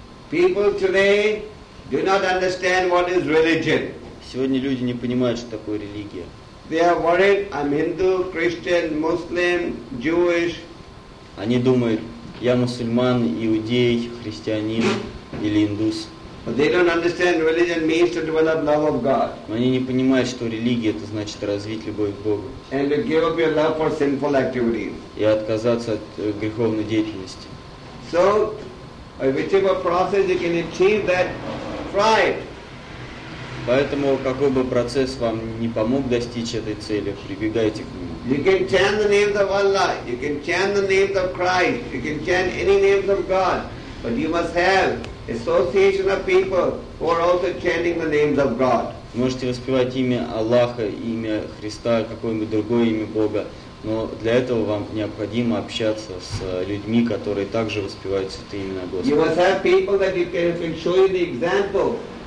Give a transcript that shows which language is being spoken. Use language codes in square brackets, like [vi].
[en] People today do not understand what is religion. [ru] Сегодня люди не понимают, что такое религия. [en] They are worried, I'm Hindu, Christian, Muslim, Jewish. [ru] Они думают, я мусульман, иудей, христианин или индус. [en] But they don't understand religion means to develop love of God. [ru] Они не понимают, что религия это значит развить любовь к Богу. [en] And to give up your love for sinful activities. [ru] И отказаться от греховной деятельности. [en] So, whichever process you can achieve that, try it. [ru] Поэтому какой бы процесс вам не помог достичь этой цели, прибегайте к нему. [en] You can chant the names of Allah, you can chant the names of Christ, you can chant any names of God, but you must have association of people who are also chanting the names of God. [ru] Можете воспевать имя Аллаха, имя Христа, какое-нибудь другое имя Бога, но для этого вам необходимо общаться с людьми, которые также воспевают святые имена Господа. [en] You must have people that you can show you the example.